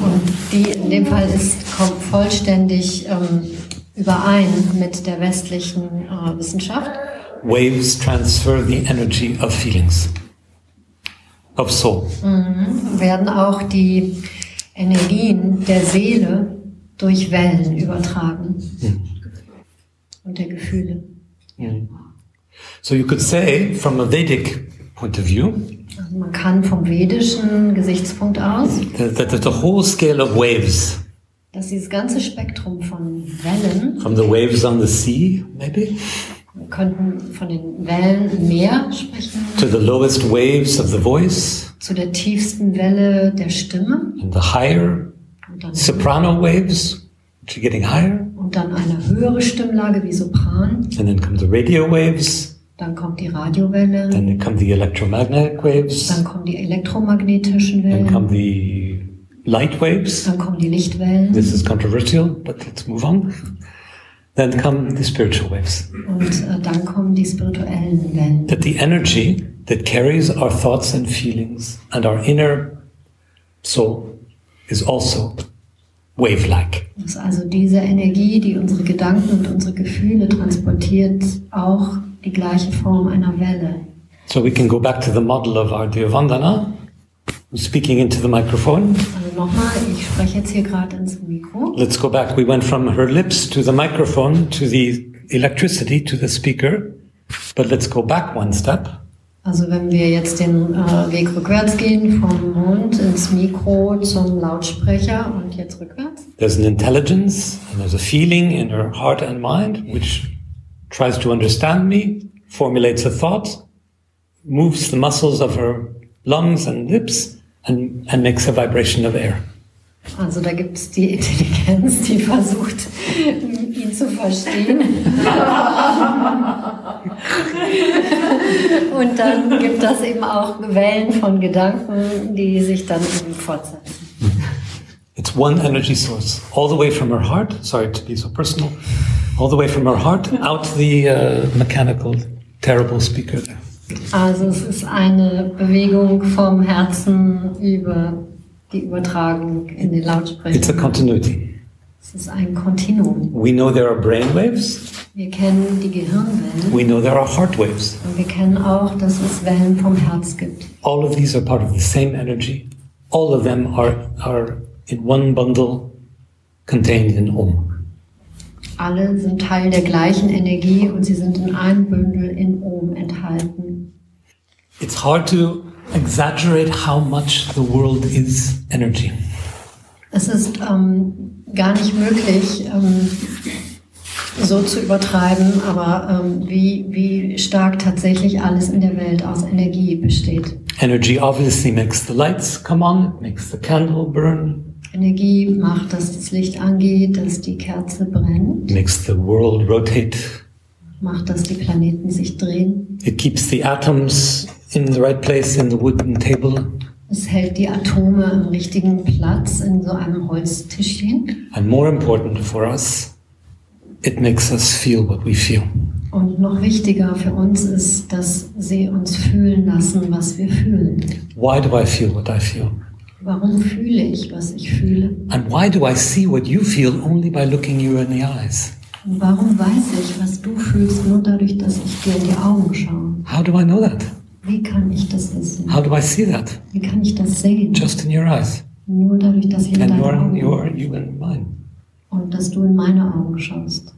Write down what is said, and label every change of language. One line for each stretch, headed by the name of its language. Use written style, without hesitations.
German: Und die in dem Fall ist kommt vollständig überein mit der westlichen Wissenschaft.
English: Waves transfer the energy of feelings. Of soul.
German: Werden auch die Energien der Seele durch Wellen übertragen und der Gefühle.
English: So you could say from a Vedic point of view,
German: also man kann vom vedischen Gesichtspunkt aus,
English: the whole scale of waves,
German: dass dieses ganze Spektrum von Wellen,
English: from the waves on the sea maybe,
German: wir könnten von den Wellen im Meer sprechen,
English: to the lowest waves of the voice,
German: zu der tiefsten Welle der Stimme,
English: and the higher soprano waves, which are getting higher.
German: Und dann eine höhere Stimmlage wie Sopran.
English: And then come the radio waves.
German: Dann kommt die Radiowelle.
English: Then come the electromagnetic waves.
German: Dann kommen die elektromagnetischen Wellen.
English: Then come the light waves.
German: Dann kommen die Lichtwellen.
English: This is controversial, but let's move on. Then come the spiritual waves.
German: Und dann kommen die spirituellen Wellen.
English: That the energy that carries our thoughts and feelings and our inner soul is also wave-like.
German: Dass also diese Energie, die unsere Gedanken und unsere Gefühle transportiert, auch die gleiche Form einer Welle.
English: So we can go back to the model of our dear Vandana, speaking into the microphone.
German: Also nochmal, ich spreche jetzt hier gerade ins Mikro.
English: Let's go back. We went from her lips to the microphone, to the electricity, to the speaker. But let's go back one step.
German: Also wenn wir jetzt den Weg rückwärts gehen, vom Mund ins Mikro zum Lautsprecher und jetzt rückwärts.
English: There's an intelligence and there's a feeling in her heart and mind which tries to understand me, formulates a thought, moves the muscles of her lungs and lips and makes a vibration of air.
German: Also da gibt es die Intelligenz, die versucht, ihn zu verstehen. Und dann gibt es eben auch Wellen von Gedanken, die sich dann eben fortsetzen.
English: It's one energy source, all the way from her heart, sorry to be so personal, all the way from her heart, out the mechanical, terrible speaker there.
German: Also es ist eine Bewegung vom Herzen über die Übertragung in den Lautsprecher.
English: It's a continuity.
German: Es ist ein Kontinuum.
English: We know there are brain waves.
German: Wir kennen die Gehirnwellen.
English: We know there are heart waves.
German: Und wir kennen auch, dass es Wellen vom Herz gibt.
English: All of these are part of the same energy. All of them are in one bundle contained in Om.
German: Alle sind Teil der gleichen Energie und sie sind in einem Bündel in Om enthalten.
English: It's hard to exaggerate how much the world is energy.
German: Es ist gar nicht möglich, so zu übertreiben, aber wie stark tatsächlich alles in der Welt aus Energie besteht.
English: Energy obviously makes the lights come on, makes the candle burn.
German: Energie macht, dass das Licht angeht, dass die Kerze brennt.
English: Makes the world rotate.
German: Macht, dass die Planeten sich drehen.
English: It keeps the atoms in the right place in the wooden table.
German: Es hält die Atome am richtigen Platz in so einem Holztischchen.
English: And more important for us, it makes us feel what we feel.
German: Und noch wichtiger für uns ist, dass sie uns fühlen lassen, was wir fühlen.
English: Why do I feel what I feel?
German: Warum fühle ich, was ich fühle?
English: And why do I see what you feel only by looking you in the eyes?
German: Und warum weiß ich, was du fühlst, nur dadurch, dass ich dir in die Augen schaue?
English: How do I know that?
German: Wie kann ich das wissen?
English: How do I see that?
German: Wie kann ich das sehen?
English: Just in your eyes.
German: Nur dadurch, dass ich in deine Augen.
English: And you in mine.
German: Und dass du in meine Augen schaust.